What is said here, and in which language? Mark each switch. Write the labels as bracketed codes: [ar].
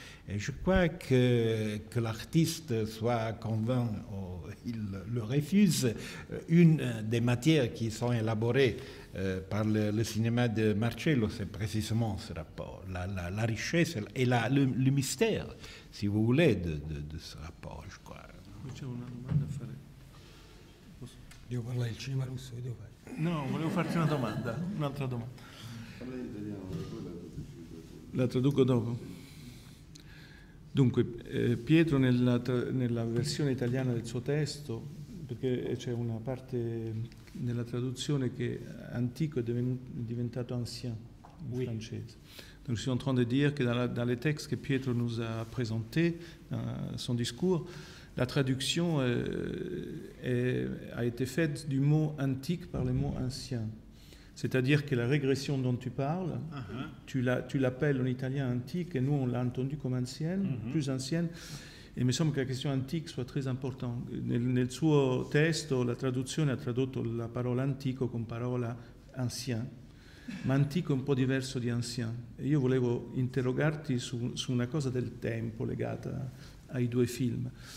[fr] Et je crois que l'artiste soit convainc ou il le refuse, une des matières qui sont élaborées par le cinéma de Marcello, c'est précisément ce rapport, la richesse et le mystère, si vous voulez, de ce rapport, je crois. [it] C'est una domanda a fare. Devo parlare del cinema russo, devo fare. No, volevo farti una domanda, un'altra domanda. La traduco dopo. Dunque, Pietro nella versione italiana del suo testo, perché c'è una parte nella traduzione che antico è diventato ancien in oui. francese. [fr] Donc, je suis en train de dire que dans les textes que Pietro nous a présenté, son discours, la traduction a été faite du mot antique par le mot ancien. C'est-à-dire que la régression dont tu parles, tu l'appelles en italien antique et nous on l'a entendu comme ancienne, plus ancienne. Et il me semble que la question antique soit très importante. [it] Nel suo testo, la traduzione ha tradotto la parola antico con parola ancien. Ma antico è un po' diverso di ancien. E io volevo interrogarti su una cosa del tempo legata ai due film.